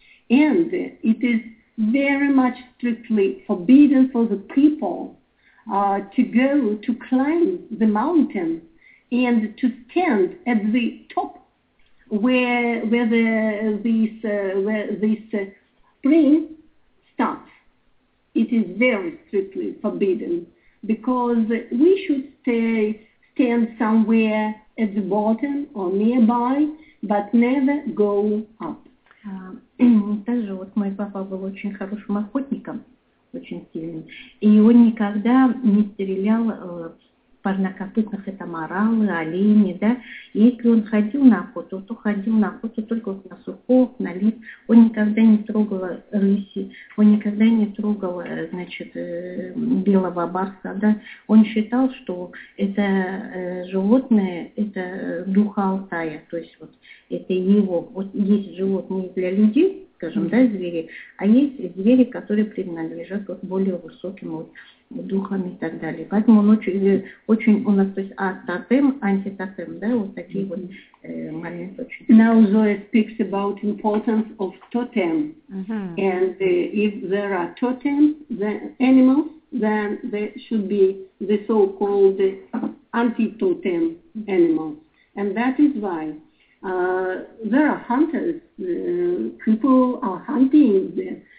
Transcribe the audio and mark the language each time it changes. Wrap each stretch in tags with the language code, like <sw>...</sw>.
<en>And it is very much strictly forbidden for the people to go to climb the mountain and to stand at the top where this spring starts. It is very strictly forbidden because we should stand somewhere at the bottom or nearby, but never go up.</en> <ru>Также вот мой папа был очень хорошим охотником, очень сильным, и он никогда не стрелял парнокопытных, это моралы, олени, да, и если он ходил на охоту, то ходил на охоту только вот на сухов, на лис, он никогда не трогал рыси, он никогда не трогал, значит, белого барса, да, он считал, что это животное, это духа Алтая, то есть вот это его, вот есть животные для людей, скажем, да, звери, а есть звери, которые принадлежат вот более высоким вот духом и так далее. Поэтому он очень у нас, то есть тотем, антитотем, да, вот такие вот моменты очень.</ru> <en>Now Zoe speaks about importance of totem. Uh-huh. And if there are totem, the animals, then there should be the so-called anti-totem animals. And that is why there are hunters, people are hunting there.</en>